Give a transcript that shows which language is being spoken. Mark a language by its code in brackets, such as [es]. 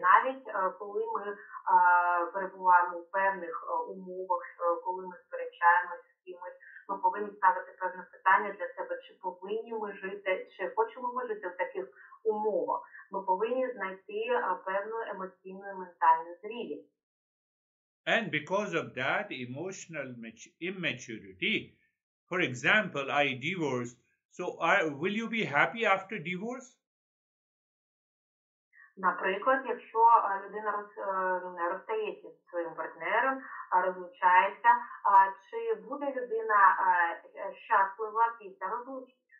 [uk] Навіть коли ми перебуваємо в певних умовах, коли ми сперечаємося з кимось, ми повинні ставити певне питання для себе, чи повинні ми жити, чи хочемо ми жити в таких умовах. Ми повинні знайти певну емоційну і ментальну зрілість. [en] And because of that emotional immaturity, for example, I divorced, so will you be happy after divorce? [uk] Наприклад, якщо людина розстається з своїм партнером, розлучається, чи буде людина щаслива після розлучення?